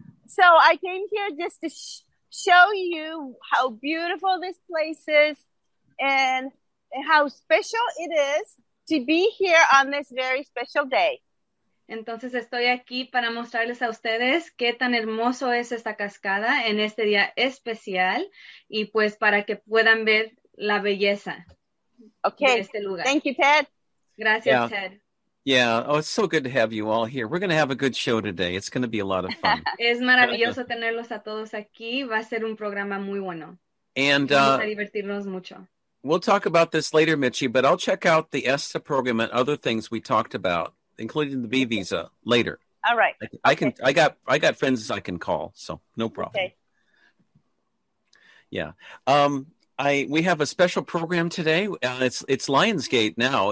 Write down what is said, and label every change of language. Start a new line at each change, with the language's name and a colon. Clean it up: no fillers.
English: So I came here just to show you how beautiful this place is and how special it is to be here on this very special day.
Spanish: Entonces estoy aquí para mostrarles a ustedes qué tan hermoso es esta cascada en este día especial, y pues para que puedan ver la belleza de este lugar.
English: Thank you, Ted.
Spanish: Gracias, Ted.
English: Yeah. Oh, it's so good to have you all here. We're going to have a good show today. It's going to be a lot of fun.
Spanish: Es maravilloso tenerlos a todos aquí. Va a ser un programa muy bueno.
English: And
Spanish: vamos a divertirnos mucho.
English: We'll talk about this later, Mitchie, but I'll check out the ESTA program and other things we talked about, including the B visa later. All right. I got friends I can call, so no problem. Okay. Yeah. We have a special program today. It's Lionsgate now.